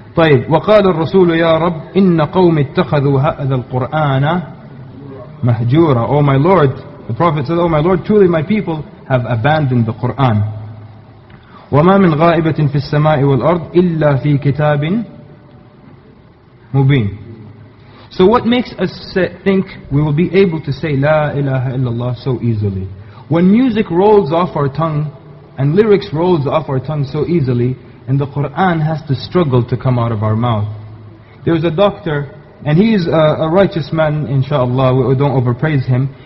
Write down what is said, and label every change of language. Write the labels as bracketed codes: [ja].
[ar] طيب وقال الرسول يا رب إن قوم اتخذوا هذا القرآن مهجورا. [en] Oh my Lord, the Prophet said, Oh my Lord, truly my people have abandoned the Quran. [ar] وما من غائبة في السماء والأرض إلا في كتاب مبين. [en] So what makes us think we will be able to say [ar] لا إله إلا الله [en] so easily? When music rolls off our tongue and lyrics rolls off our tongue so easily, and the Qur'an has to struggle to come out of our mouth. There was a doctor, and he is a righteous man, inshallah, we don't overpraise him.